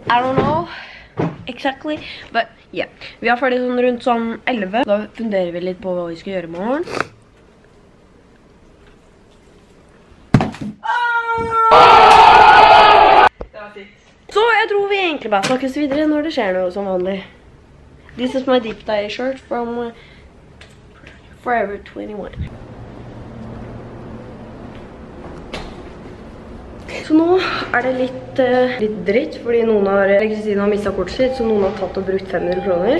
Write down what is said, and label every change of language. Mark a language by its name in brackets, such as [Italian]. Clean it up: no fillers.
[English] I don't know. Exactly. But, yeah. [Norwegian] Vi er ferdig sånn rundt sånn 11. Da funderer vi litt på hva vi skal gjøre i morgen. Så jeg tror vi egentlig bare snakkes videre når det skjer noe som vanlig. [English] This is my deep dye shirt from... [Norwegian] Forever 21. Så nå er det litt, litt dritt, fordi noen har, eller Kristina har mistet kortet sitt, så noen har tatt og brukt 500 kroner.